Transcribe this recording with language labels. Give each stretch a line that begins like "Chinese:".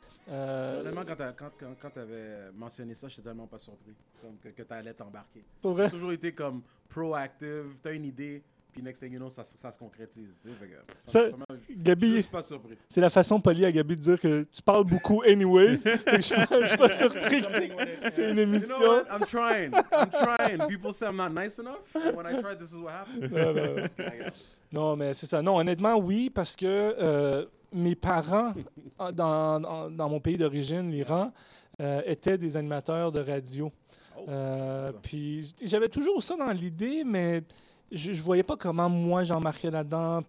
French: Vraiment, quand tu avais mentionné ça, j'étais tellement pas surpris que tu allais t'embarquer. Pour vrai? T'as toujours été comme proactive, t'as une idée, puis
English: next thing you know,
French: ça se concrétise. Gabi, c'est la façon polie à Gabi de dire que tu parles beaucoup anyways, je suis pas surpris que t'es une émission.
English: You know what? I'm trying. People say I'm not nice enough, but when I try, this is what happens.
French: Non, mais c'est ça. Non, honnêtement, oui, parce que mes parents, dans mon pays d'origine, l'Iran, étaient des animateurs de radio. Puis j'avais toujours ça dans l'idée, mais je voyais pas comment moi j'embarquais là-dedans.